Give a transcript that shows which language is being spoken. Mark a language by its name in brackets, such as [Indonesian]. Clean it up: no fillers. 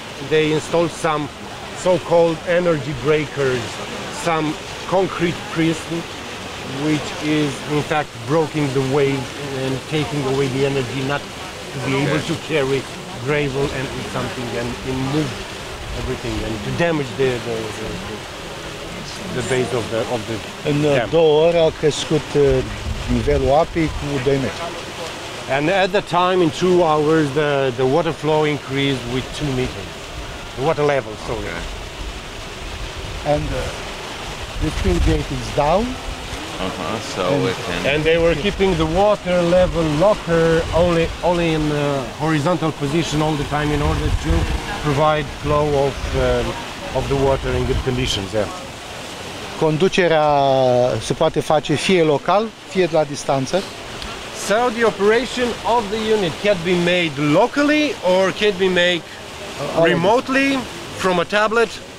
[English] They installed some so-called energy breakers, some concrete prism which is in fact breaking the wave and taking away the energy not to be able to carry gravel and something and move everything and to damage the base of the in dam. [Romanian] 2 ore a crescut nivelul apei cu 2 metri. [English] And at the time in 2 hours the water flow increased with 2 meters. The water level, sorry. Okay. And the spill gate is down. Uh-huh, so and they were keeping the water level locker only in the horizontal position all the time in order to provide flow of the water in good conditions. Yeah. [Romanian] Conducerea se poate face fie local, fie la distanță. [English] So the operation of the unit can be made locally or can be made remotely from a tablet.